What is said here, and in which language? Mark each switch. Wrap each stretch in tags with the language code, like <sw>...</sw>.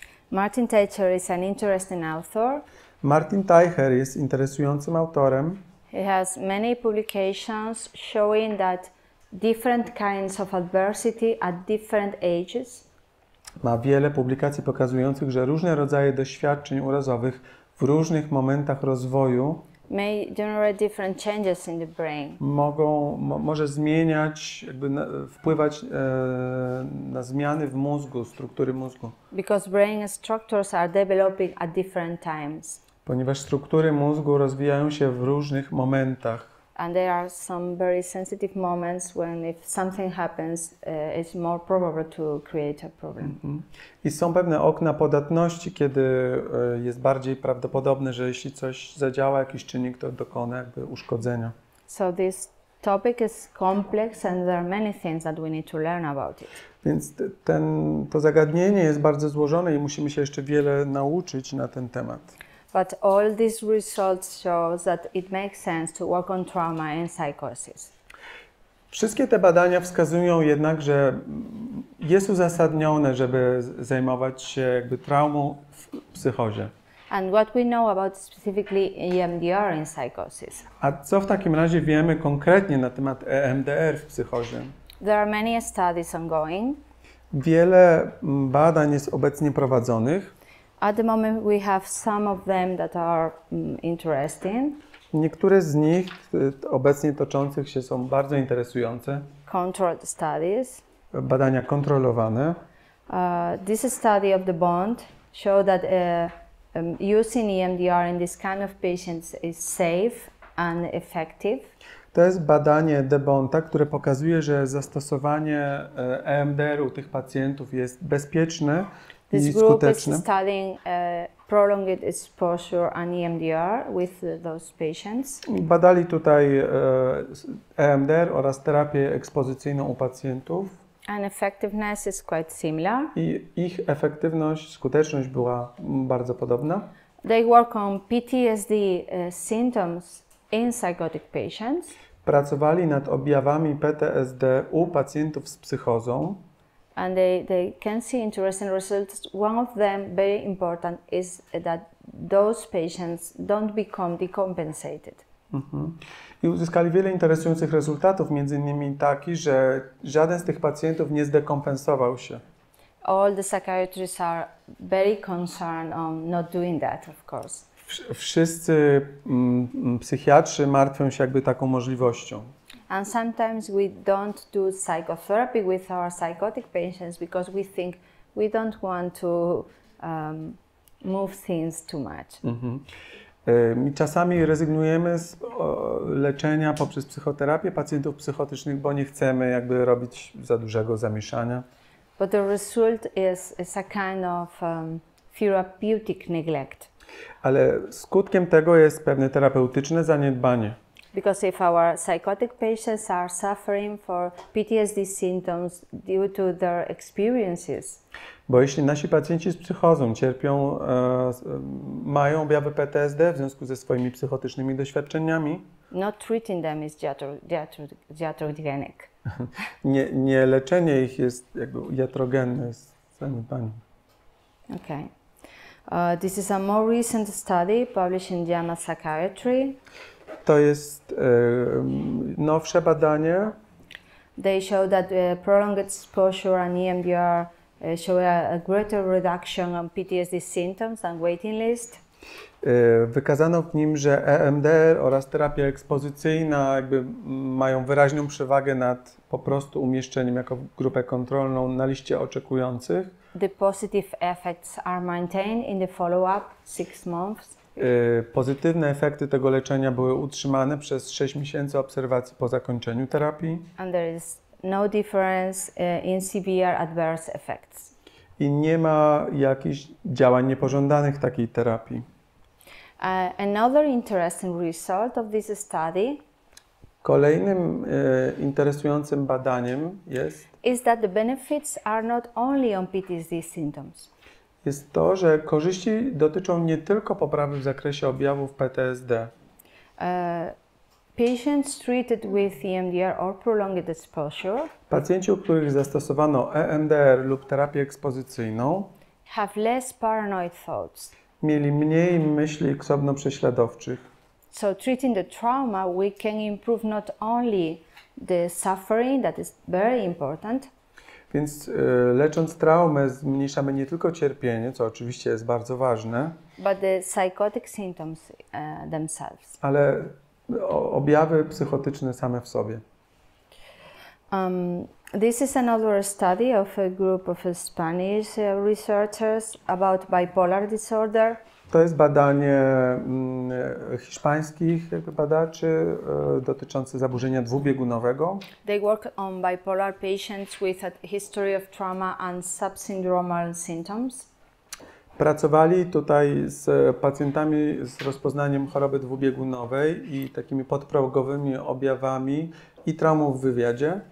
<en>Martin Teicher is an interesting author.</en> <pl>Martin Teicher jest interesującym autorem.</pl> <en>He has many publications showing that different kinds of adversity at different ages.</en> <pl>Ma wiele publikacji pokazujących, że różne rodzaje doświadczeń urazowych w różnych momentach rozwoju</pl> <en>may generate different changes in the brain.</en> <pl>Może zmieniać, jakby wpływać na zmiany w mózgu, struktury mózgu.</pl> <en>Because brain structures are developing at different times.</en> <pl>Ponieważ struktury mózgu rozwijają się w różnych momentach.</pl> <en>And there are some very sensitive moments when if something happens, it's more probable to create a problem.</en> <pl>I są pewne okna podatności, kiedy jest bardziej prawdopodobne, że jeśli coś zadziała, jakiś czynnik, to dokona jakby uszkodzenia.</pl> <en>So this topic is complex and there are many things that we need to learn about it.</en> <pl>Więc to zagadnienie jest bardzo złożone i musimy się jeszcze wiele nauczyć na ten temat.</pl> <en>But all these results show that it makes sense to work on trauma and psychosis.</en> <pl>Wszystkie te badania wskazują jednak, że jest uzasadnione, żeby zajmować się jakby traumą w psychozie.</pl> <en>And what we know about specifically EMDR in psychosis.</en> <pl>A co w takim razie wiemy konkretnie na temat EMDR w psychozie?</pl> <en>There are many studies ongoing.</en> <pl>Wiele badań jest obecnie prowadzonych.</pl> <en>At the moment we have some of them that are interesting.</en> <pl>Niektóre z nich obecnie toczących się są bardzo interesujące.</pl> <en>Controlled studies.</en> <pl>Badania kontrolowane.</pl> <en>This study of the bond showed that using EMDR in this kind of patients is safe and effective.</en> <pl>To jest badanie DeBonta, które pokazuje, że zastosowanie EMDR u tych pacjentów jest bezpieczne.</pl> <en>This group is studying prolonged exposure and EMDR with those patients.</en> <pl>Badali tutaj EMDR oraz terapię ekspozycyjną u pacjentów.</pl> <en>And effectiveness is quite similar.</en> <pl>I ich efektywność, skuteczność była bardzo podobna.</pl> <en>They work on PTSD symptoms in psychotic patients.</en> <pl>Pracowali nad objawami PTSD u pacjentów z psychozą.</pl> <en>And they can see interesting results. One of them, very important, is that those patients don't become decompensated. Mm-hmm.</en> <pl>I uzyskali wiele interesujących rezultatów, między innymi taki, że żaden z tych pacjentów nie zdekompensował się.</pl> <en>All the psychiatrists are very concerned on not doing that, of course.</en> <pl>Wszyscy psychiatrzy martwią się jakby taką możliwością.</pl> <en>And sometimes we don't do psychotherapy with our psychotic patients because we think we don't want to move things too much.</en> <pl>Mm-hmm. I czasami rezygnujemy z leczenia poprzez psychoterapię pacjentów psychotycznych, bo nie chcemy jakby robić za dużego zamieszania.</pl> <en>But the result is a kind of therapeutic neglect.</en> <pl>Ale skutkiem tego jest pewne terapeutyczne zaniedbanie.</pl> <en>Because if our psychotic patients are suffering for PTSD symptoms due to their experiences.</en> <pl>Bo jeśli nasi pacjenci z psychozą cierpią, mają objawy PTSD w związku ze swoimi psychotycznymi doświadczeniami.</pl> <en>Not treating them is iatrogenic.</en> <pl>Nie leczenie ich jest jakby iatrogenne z zaniedbaniem.</pl> <en>Okay. This is a more recent study published in JAMA Psychiatry.</en> <pl>To jest nowsze badanie.</pl> <en>They show that prolonged exposure and EMDR show a greater reduction on PTSD symptoms and waiting list.</en> <pl>Wykazano w nim, że EMDR oraz terapia ekspozycyjna jakby mają wyraźną przewagę nad po prostu umieszczeniem jako grupę kontrolną na liście oczekujących.</pl> <en>The positive effects are maintained in the follow-up 6 months.</en> <pl>Pozytywne efekty tego leczenia były utrzymane przez 6 miesięcy obserwacji po zakończeniu terapii.</pl> <en>And there is no difference in severe adverse effects.</en> <pl>I nie ma jakichś działań niepożądanych takiej terapii.</pl> <en>Another interesting result of this study.</en> <pl>Kolejnym interesującym badaniem jest.</pl> <en>Is that the benefits are not only on PTSD symptoms.</en> <pl>Jest to, że korzyści dotyczą nie tylko poprawy w zakresie objawów PTSD.</pl> <en>Patients treated with EMDR or prolonged exposure.</en> <pl>Pacjenci, u których zastosowano EMDR lub terapię ekspozycyjną.</pl> <en>Have less paranoid thoughts.</en> <pl>Mieli mniej myśli ksobno-prześladowczych.</pl> <en>So treating the trauma, we can improve not only the suffering, that is very important.</en> <pl>Więc lecząc traumę, zmniejszamy nie tylko cierpienie, co oczywiście jest bardzo ważne.</pl> <en>But the psychotic symptoms themselves.</en> <pl>Ale objawy psychotyczne same w sobie.</pl> <en>This is another study of a group of Spanish researchers about bipolar disorder.</en> <pl>To jest badanie hiszpańskich badaczy dotyczące zaburzenia dwubiegunowego.</pl> <en>They work on bipolar patients with a history of trauma and subsyndromal symptoms.</en> <pl>Pracowali tutaj z pacjentami z rozpoznaniem choroby dwubiegunowej i takimi podprogowymi objawami i traumą w wywiadzie.</pl>